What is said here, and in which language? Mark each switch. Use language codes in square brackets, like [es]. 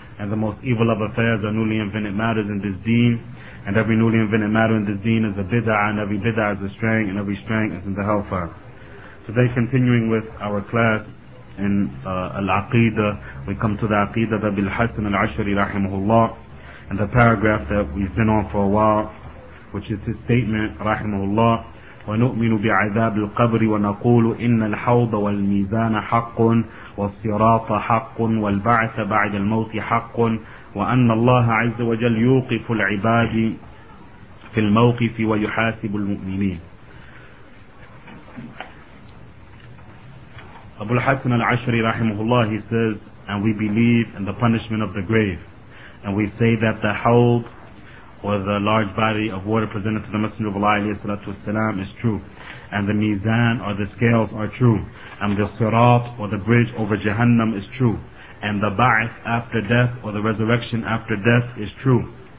[en] And the most evil of affairs are newly invented matters in this deen, and every newly invented matter in this deen is a bid'ah, and every bid'ah is a straying, and every straying is in the hellfire. Today, continuing with our class in al-aqidah, we come to the aqidah of Abil Hasan al-Ashari rahimahullah, and the paragraph that we've been on for a while, which is his statement rahimahullah. [ar] ونؤمن بعذاب القبر ونقول إن الحوض والميزان حق والصراط حق والبعث بعد الموت حق وأن الله عز وجل يوقف العباد في الموقف ويحاسب المؤمنين. [en] أبو الحسن العشري رحمه الله says, and we believe in the punishment of the grave, and we say that the حوض or the large body of water presented to the Messenger of Allah is true, and the mizan or the scales are true, and the sirat or the bridge over Jahannam is true, and the ba'ath after death or the resurrection after death is true,